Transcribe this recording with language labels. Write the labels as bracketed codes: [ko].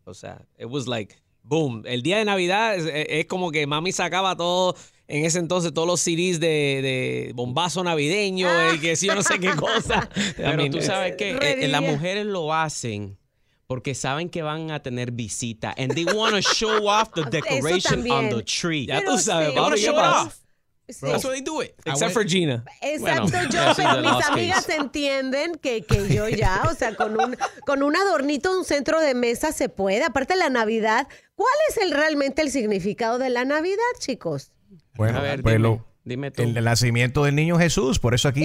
[es] O sea, [en] it was like, boom. [es] El día de Navidad es como que mami sacaba todo, en ese entonces, todos los CDs de bombazo navideño, y que sí, yo no sé qué cosa. Pero también, tú sabes que las mujeres lo hacen porque saben que van a tener visita. [en] And they want to show off the decoration on the tree. [es] Ya tú sabes, sí, vamos a [en] show off. [es] Sí. [en] That's what they do it. Except for Gina. [es] Exacto, bueno, yo, pero mis amigas entienden que yo ya, o sea, con un adornito, un centro de mesa se puede. Aparte, la Navidad, ¿cuál es realmente el significado de la Navidad, chicos? Bueno, a ver, dime tú. El nacimiento del niño Jesús, por eso aquí